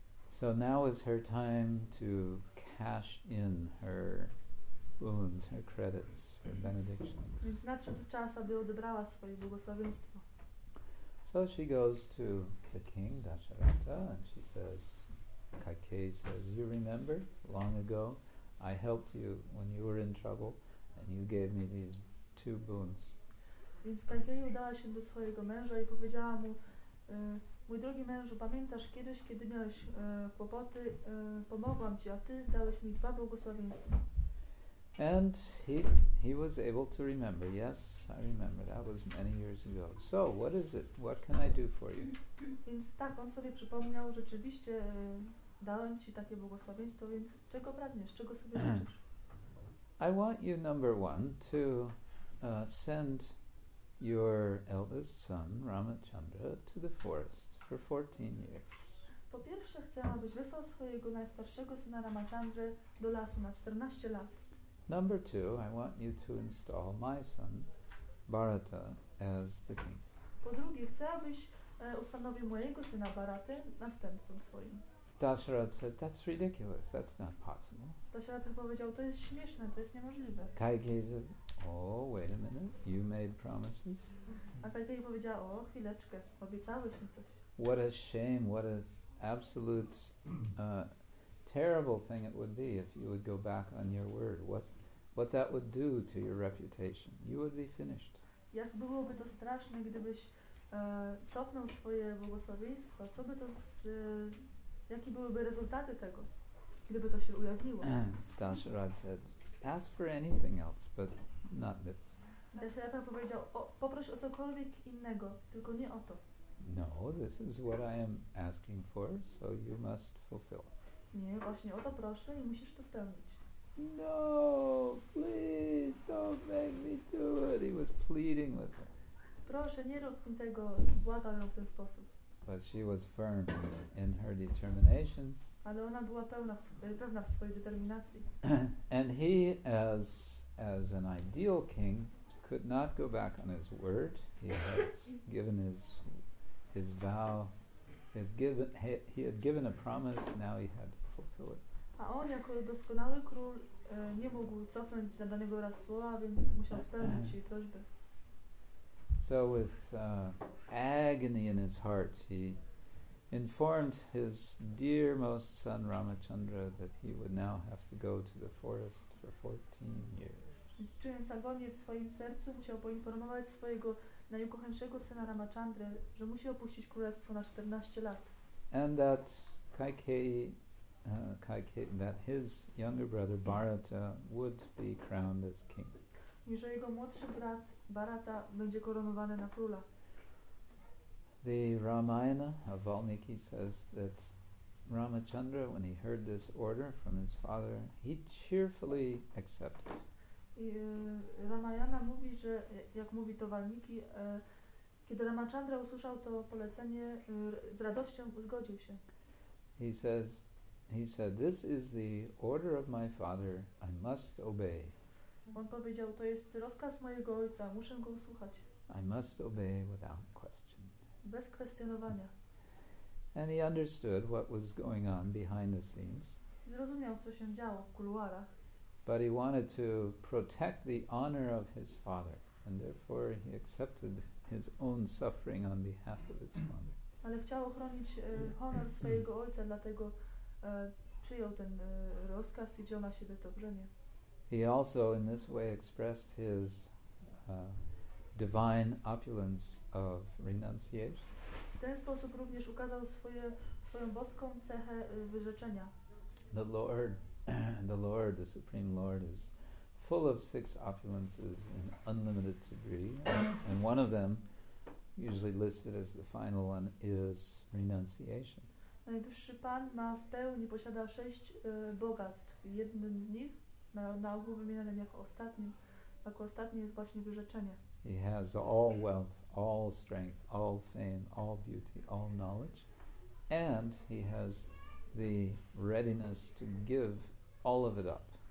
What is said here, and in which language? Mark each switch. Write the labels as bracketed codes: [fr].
[en] So now is her time to cash in her boons, her credits, her benedictions. [pl] Więc nadszedł czas, aby odebrała swoje błogosławieństwo. [en] So she goes to the king, Dasharatha, and she says, Kaikeyi says, you remember, long ago, I helped you when you were in trouble, and you gave me these two boons. [pl] Więc Kaikeyi udała się do swojego męża i powiedziała mu, mój drogi mężu, pamiętasz kiedyś, kiedy miałeś kłopoty, pomogłam ci, a ty dałeś mi dwa błogosławieństwa. [en] And he was able to remember. Yes, I remember. That was many years ago. So, what is it? What can I do for you? [pl] Więc tak, on sobie przypomniał, rzeczywiście dałem ci takie błogosławieństwo, więc czego pragniesz, czego sobie życzysz? [en] I want you, number one, to send your eldest son, Ramachandra, to the forest for 14 years. [pl] Po pierwsze, chcę, abyś wysłał swojego najstarszego syna Ramachandrę do lasu na 14 lat. [en] Number two, I want you to install my son, Bharata, as the king. [pl] Po drugie, chcę, abyś ustanowił mojego syna Bharatę następcą swoim. [en] Dasharatha said, that's ridiculous, that's not possible. [pl] Dasharatha powiedział, to jest śmieszne, to jest niemożliwe. [en] Kaikeyi said, oh, wait a minute, you made promises. [pl] A Kaikeyi powiedział, o, chwileczkę, obiecałeś mi coś. [en] What a shame, what an absolute terrible thing it would be if you would go back on your word. What that would do to your reputation. You would be finished. [pl] Jak byłoby to straszne, gdybyś cofnął swoje błogosławieństwo? Co by to jakie byłyby rezultaty tego, gdyby to się ujawniło? [en] Dasharatha said, ask for anything else, but not this. [pl] Dasharatha powiedział, poproś o cokolwiek innego, tylko nie o to. [en] No, this is what I am asking for, so you must fulfill. [pl] Nie, właśnie o to proszę i musisz to spełnić. [en] No, please, don't make me do it. He was pleading with her. [pl] Proszę, nie rób mi tego. Błagał ją w ten sposób. [en] But she was firm in her determination. [pl] Ale ona była pewna w swojej determinacji. [en] And he, as as an ideal king, could not go back on his word. He had given his vow. He had given a promise. Now he had to fulfill it. [pl] A on jako doskonały król nie mógł cofnąć nadanego raz słowa, więc musiał spełnić jej prośbę. [en] So with agony in his heart, he informed his dear most son Ramachandra that he would now have to go to the forest for 14 years. [pl] Więc czując agonię w swoim sercu, musiał poinformować swojego najukochańszego syna Ramachandrę, że musi opuścić królestwo na 14 lat. [en] And that Kaikeyi, that his younger brother Bharata would be crowned as king. [pl] I że jego młodszy brat Bharata będzie koronowany na króla. [en] The Ramayana of Valmiki says that Ramachandra, when he heard this order from his father, he cheerfully accepted. [pl] I Ramayana mówi, że jak mówi to Valmiki, kiedy Ramachandra usłyszał to polecenie, z radością zgodził się. [en] He said, "This is the order of my father. I must obey." [pl] On powiedział, to jest rozkaz mojego ojca, muszę go usłuchać. [en] I must obey without question. [pl] Bez kwestionowania. [en] And he understood what was going on behind the scenes. [pl] Zrozumiał, co się działo w kuluarach. [en] But he wanted to protect the honor of his father, and therefore he accepted his own suffering on behalf of his father. [pl] Ale chciał ochronić honor swojego ojca, dlatego przyjął ten rozkaz i wziął na siebie to brzemię. [en] He also in this way expressed his divine opulence of renunciation. [pl] W ten sposób również ukazał swoją boską cechę wyrzeczenia. [en] The Lord, the Supreme Lord, is full of six opulences in unlimited degree, and one of them, usually listed as the final one, is renunciation. [pl] Najwyższy Pan ma w pełni, posiada sześć bogactw. Jednym z nich, na ogół wymienionym jako ostatnim, jest właśnie wyrzeczenie. [en] He has all wealth, all strength, all fame, all beauty, all knowledge, and he has the readiness to give all of it up.